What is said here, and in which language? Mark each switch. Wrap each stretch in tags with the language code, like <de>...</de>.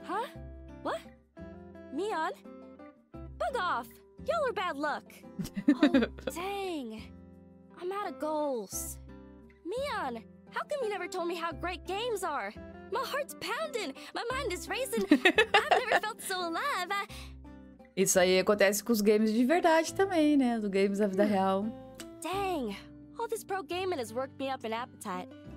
<en>Huh? What? Mion? Bug off! Y'all are bad luck! Oh, dang! I'm out of goals. Mion, how come you never told me how great games are? My heart's pounding! My mind is racing! I've never felt so alive!</en> <pt>Isso aí acontece com os games de verdade também, né? Os games da vida real.</pt> <en>Dang! All this pro gaming has worked me up an appetite.</en>